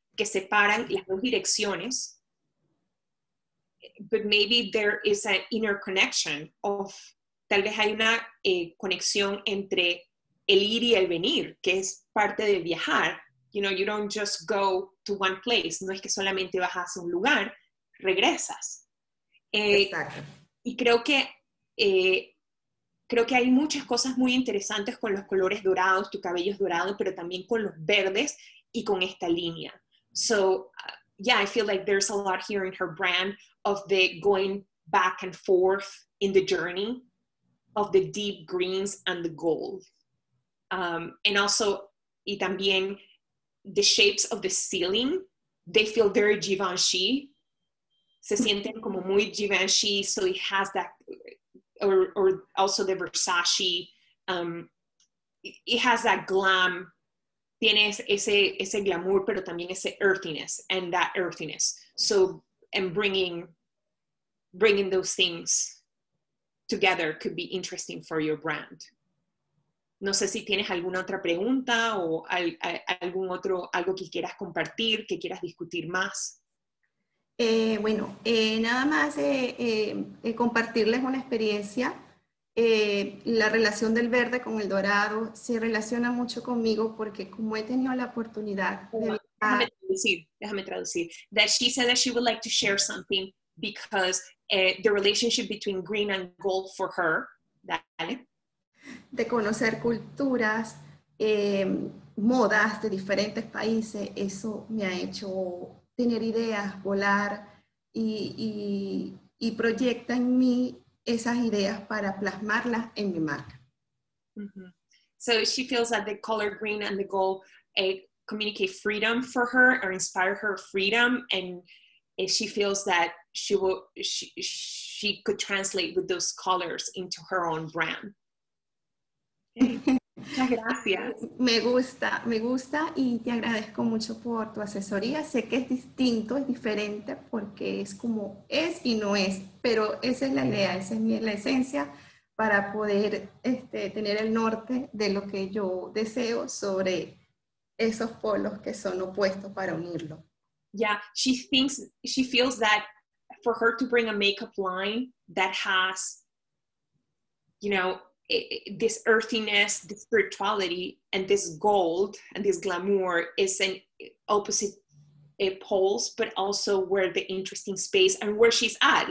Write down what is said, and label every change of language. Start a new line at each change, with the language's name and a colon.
Spanish: Que separan las dos direcciones.
English: But maybe there is an interconnection of,
Spanish: tal vez hay una conexión entre el ir y el venir, que es parte de viajar.
English: You know, you don't just go to one place.
Spanish: No es que solamente vas a un lugar, regresas. Exacto. Y creo que hay muchas cosas muy interesantes con los colores dorados, tu cabello es dorado, pero también con los verdes y con esta línea.
English: So, yeah, I feel like there's a lot here in her brand of the going back and forth in the journey of the deep greens and the gold. And also,
Spanish: y también
English: the shapes of the ceiling, they feel very Givenchy.
Spanish: Se sienten como muy Givenchy,
English: so it has that, or also the Versace, it has that glam,
Spanish: tiene ese glamour, pero también ese
English: earthiness, and that earthiness. So, and bringing those things together could be interesting for your brand.
Spanish: No sé si tienes alguna otra pregunta o algún otro, algo que quieras compartir, que quieras discutir más. Bueno, nada más compartirles una experiencia. La relación del verde con el dorado se relaciona mucho conmigo porque como he tenido la oportunidad de viajar... Déjame traducir.
English: That she said that she would like to share something because the relationship between green and gold for her, dale.
Spanish: De conocer culturas, modas de diferentes países, eso me ha hecho... tener ideas, volar y proyecta en mí esas ideas para plasmarlas en mi marca. Mm-hmm.
English: So she feels that the color green and the gold communicate freedom for her or inspire her freedom, and she feels that she could translate with those colors into her own brand.
Spanish: Muchas gracias. Me gusta y te agradezco mucho por tu asesoría. Sé que es distinto, es diferente porque es como es y no es, pero esa es la idea, esa es la esencia para poder tener el norte de lo que yo deseo sobre esos polos que son opuestos para unirlo.
English: Yeah, she feels that for her to bring a makeup line that has, you know, this earthiness, this spirituality, and this gold and this glamour is an opposite poles, but also where the interesting space and where she's at.